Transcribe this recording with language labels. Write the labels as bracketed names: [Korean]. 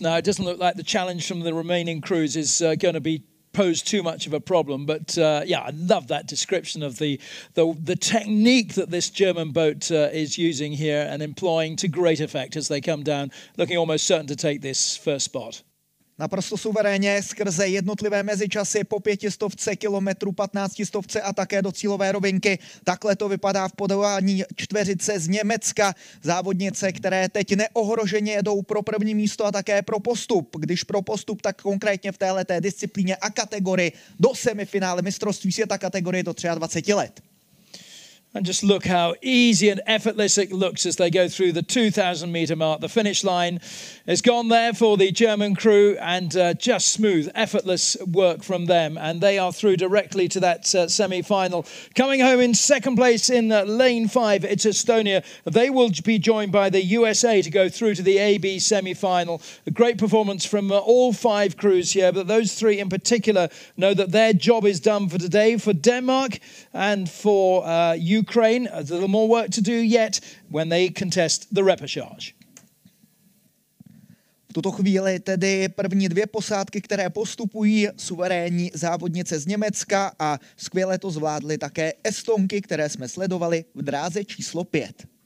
[English] Now, it doesn't look like the challenge from the remaining crews is going to be pose too much of a problem, but I love that description of the technique that this German boat is using here and employing to great effect as they come down, looking almost certain to take this first spot. [Czech] Naprosto suverénně skrze jednotlivé mezičasy po 500 kilometrů, 1500 a také do cílové rovinky. Takhle to vypadá v podování čtveřice z Německa. Závodnice, které teď neohroženě jedou pro první místo a také pro postup. Když pro postup, tak konkrétně v téhleté disciplíně a kategorii do semifinále mistrovství světa kategorie do 23 let. [English] And just look how easy and effortless it looks as they go through the 2,000 meter mark. The finish line is gone there for the German crew, and just smooth, effortless work from them. And they are through directly to that semi-final. Coming home in second place in lane five, it's Estonia. They will be joined by the USA to go through to the AB semi-final. A great performance from all five crews here, but those three in particular know that their job is done for today, for Denmark and for Ukraine, a little more work to do yet when they contest the repechage. [Czech] V tuto chvíli tedy první dvě posádky, které postupují, suverénní závodnice z Německa, a skvěle to zvládly také Estonky, které jsme sledovali v dráze číslo 5.